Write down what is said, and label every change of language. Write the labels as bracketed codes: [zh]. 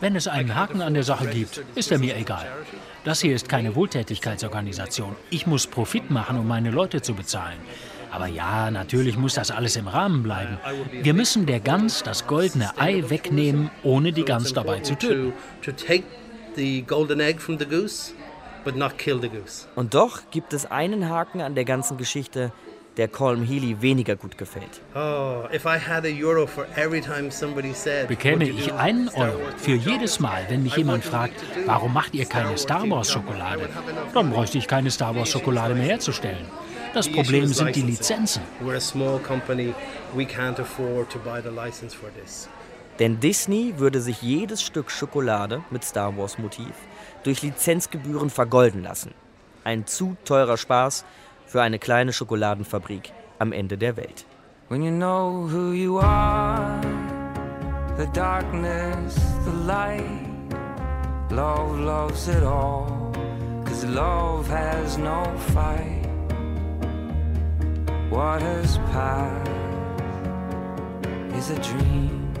[de] Wenn es einen Haken an der Sache gibt, ist er mir egal. Das hier ist keine Wohltätigkeitsorganisation. Ich muss Profit machen, um meine Leute zu bezahlen. Aber ja, natürlich muss das alles im Rahmen bleiben. Wir müssen der Gans das goldene Ei wegnehmen, ohne die Gans dabei zu töten. [en] To take the golden egg from the goose, but not kill the goose. [de] Und doch gibt es einen Haken an der ganzen Geschichte, der Colm Healy weniger gut gefällt. Bekäme ich einen Euro für jedes Mal, wenn mich jemand fragt, warum macht ihr keine Star Wars Schokolade? Dann bräuchte ich keine Star Wars Schokolade mehr herzustellen. Das Problem sind die Lizenzen. [en] We're a small company. We can't afford to buy the license for this. [de] Denn Disney würde sich jedes Stück Schokolade mit Star Wars Motiv durch Lizenzgebühren vergolden lassen. Ein zu teurer Spaß für eine kleine Schokoladenfabrik am Ende der Welt. [en] When you know who you are, the darkness, the light, love loves it all, 'cause love has no fight. What has passed is a dream.